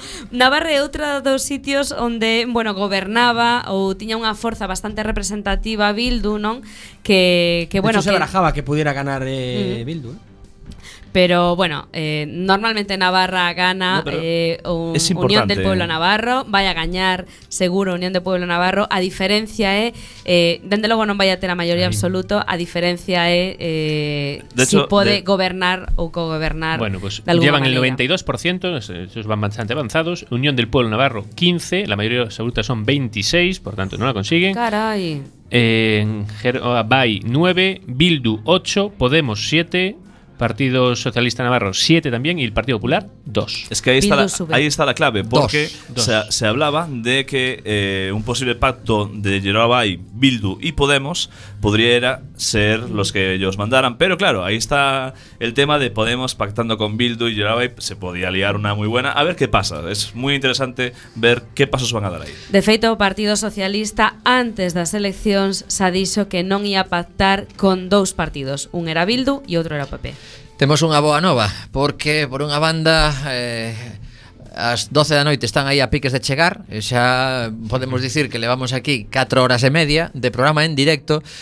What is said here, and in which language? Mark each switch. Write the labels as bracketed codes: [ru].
[gl] Navarra é outra dos sitios onde, bueno, gobernaba ou tiña unha forza bastante representativa Bildu, non? [es] Que bueno, se barajaba que pudiera ganar Bildu, ¿eh? Pero bueno, normalmente Navarra gana [gl] Unión del Pueblo Navarro, vai a gañar seguro Unión del Pueblo Navarro, a diferencia é, dende logo non vai a ter a maioría absoluta, a diferencia é si pode gobernar ou co-gobernar. [es] Bueno, pues llevan el 92%, esos van bastante avanzados, Unión del Pueblo Navarro 15, la maioría absoluta son 26, por tanto non la consiguen. [gl] Carai. [es] Bai 9, Bildu 8, Podemos 7, Partido Socialista Navarro 7 también y el Partido Popular 2. Es que ahí está la clave, porque se hablaba de que un posible pacto de Gerard Bay, Bildu y Podemos pudiera ser los que ellos mandaran. Pero claro, ahí está el tema de Podemos pactando con Bildu y Gerard Bay, se podía liar una muy buena. A ver qué pasa, es muy interesante ver qué pasos van a dar ahí. [gl] De feito, Partido Socialista antes das eleccións xa dixo que non ia pactar con dous partidos. Un era Bildu e outro era o PP. Temos unha boa nova, porque por unha banda as 12 da noite están aí a piques de chegar. Xa podemos dicir que levamos aquí 4 horas e media de programa en directo.